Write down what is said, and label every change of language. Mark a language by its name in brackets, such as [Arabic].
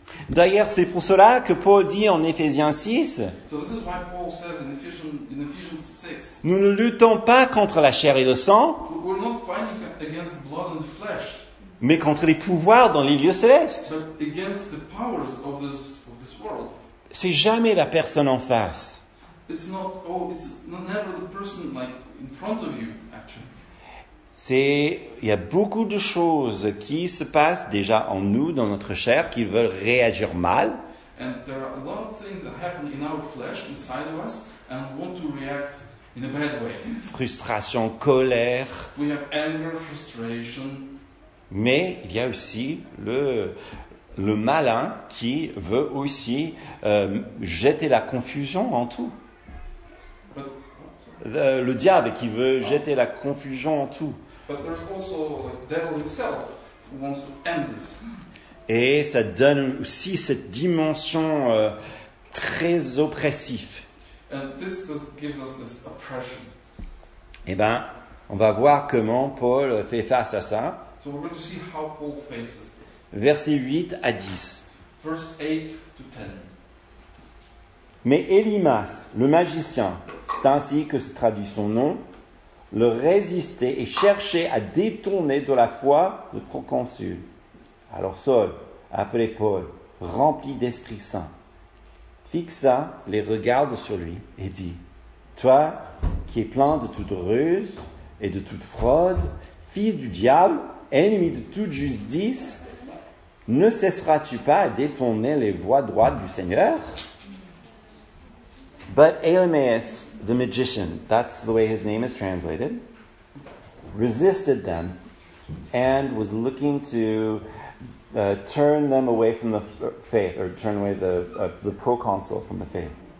[French] D'ailleurs, c'est pour cela que Paul dit en Éphésiens 6, [English] so this is why Paul says in Ephesians 6, [French] nous ne luttons pas contre la chair et le sang, [English] we're not fighting against blood and flesh, [French] mais contre les pouvoirs dans les lieux célestes. [English] But against the powers of this world. [French] C'est jamais la personne en face. [English] It's not the person like in front of you actually. [French] C'est il y a beaucoup de choses qui se passent déjà en nous dans notre chair qui veulent réagir mal. [English] And there are a lot of things that happen in our flesh inside of us and want to react in a bad way. [French] Frustration, colère. [English] We have anger, frustration. [French] Mais il y a aussi le malin qui veut aussi jeter la confusion en tout. Le diable qui veut jeter la confusion en tout. [English] But there's also the devil himself who wants to end this. [French] Et ça donne aussi cette dimension très oppressive. [English] And this gives us this oppression. [French] Et ben, on va voir comment Paul fait face à ça. [English] So we're going to see how Paul faces this. [French] Versets 8 à 10. [English] Verse 8 to 10. [French] Mais Elimas, le magicien, c'est ainsi que se traduit son nom, le résistait et cherchait à détourner de la foi le proconsul. Alors Saul, appelé Paul, rempli d'Esprit Saint, fixa les regards sur lui et dit, « Toi qui es plein de toute ruse et de toute fraude, fils du diable, ennemi de toute justice, ne cesseras-tu pas à détourner les voies droites du Seigneur ?» [English] But Elimas, the magician, that's the way his name is translated, resisted them and was looking to turn them away from the faith, or turn away the proconsul from the faith.